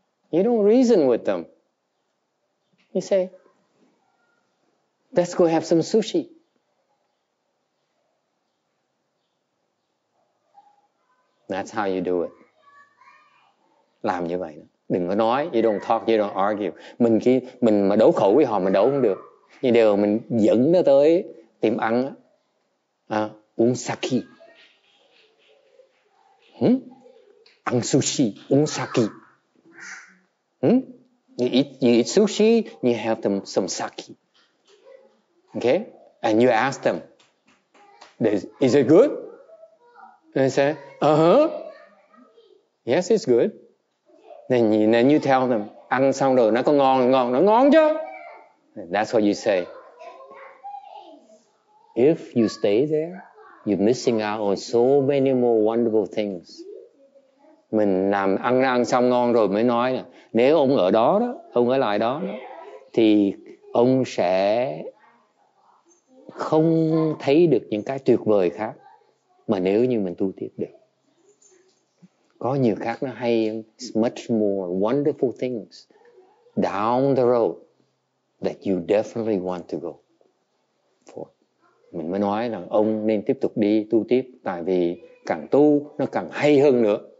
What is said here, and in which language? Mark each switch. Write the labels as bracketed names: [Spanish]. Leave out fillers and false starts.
[English] You don't reason with them. You say, let's go have some sushi. That's how you do it. [Vietnamese] Làm như vậy. Đừng có nói, [English] you don't talk, you don't argue. [Vietnamese] Mình mà đấu khẩu với họ, mình đấu không được. Nhưng đều mình dẫn nó tới tiệm ăn à, uống sake. Ăn sushi, uống sake. [English] You eat sushi, you have them some sake. Okay? And you ask them, is it good? And they say, yes, it's good. Then you tell them, [Vietnamese] ăn xong rồi nó có ngon, nó ngon chứ? [English] That's what you say. If you stay there, you're missing out on so many more wonderful things. [Vietnamese] Mình làm ăn xong ngon rồi mới nói nè, nếu ông ở đó đó, ông ở lại đó đó, thì ông sẽ không thấy được những cái tuyệt vời khác mà nếu như mình tu tiếp được. Có nhiều khác nó hay, [English] it's much more wonderful things down the road that you definitely want to go for. [Vietnamese] Mình mới nói là ông nên tiếp tục đi tu tiếp, tại vì càng tu nó càng hay hơn nữa.